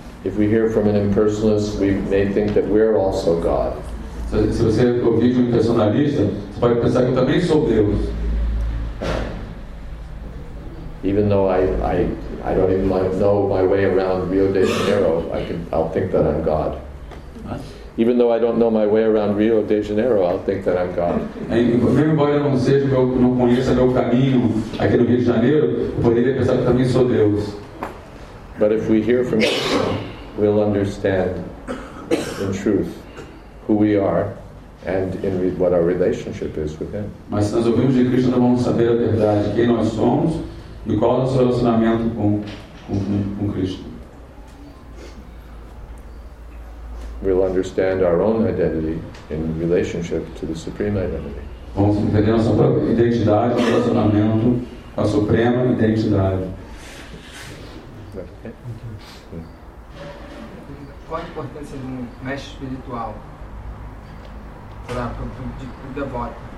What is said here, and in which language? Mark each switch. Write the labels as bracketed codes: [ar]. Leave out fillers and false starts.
[en] If we hear from an impersonalist, we may think that we're also God. [pt] Se você ouvir de um impersonalista, você pode pensar que eu também sou Deus. [en] Even though I don't even know my way around Rio de Janeiro, I'll think that I'm God. Even though I don't know my way around Rio de Janeiro, I'll think that I'm God. [pt] Embora não seja que eu não conheça meu caminho aqui no Rio de Janeiro, eu poderia pensar que também sou Deus. [en] But if we hear from Krishna, we'll understand in truth who we are and in what our relationship is with Him. [pt] Mas se nós ouvimos de Krishna, nós vamos saber a verdade, quem nós somos e qual é o nosso relacionamento com Krishna. [en] We'll understand our own identity in relationship to the Supreme Identity. [pt] Vamos entender nossa própria identidade no relacionamento com a Suprema Identidade. Qual a importância de um mestre espiritual para o devoto?